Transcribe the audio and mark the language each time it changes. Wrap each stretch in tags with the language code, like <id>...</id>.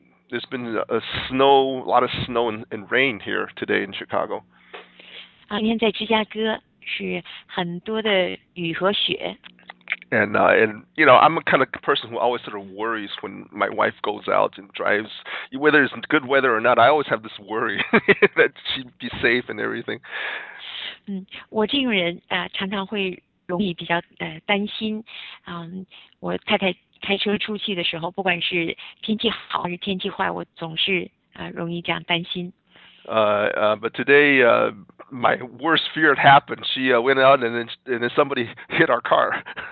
<en>There's been a lot of snow and rain here today in Chicago.</en> <zh>今天在芝加哥是很多的雨和雪。</zh> <en>And you know, I'm a kind of person who always sort of worries when my wife goes out and drives, whether it's good weather or not. I always have this worry that she'd be safe and everything.</en> <zh>我这个人常常会容易比较担心。我太太开车出去的时候，不管是天气好还是天气坏，我总是容易这样担心。</zh> <en>But today, my worst fear had happened. She went out and then somebody hit our car.</en>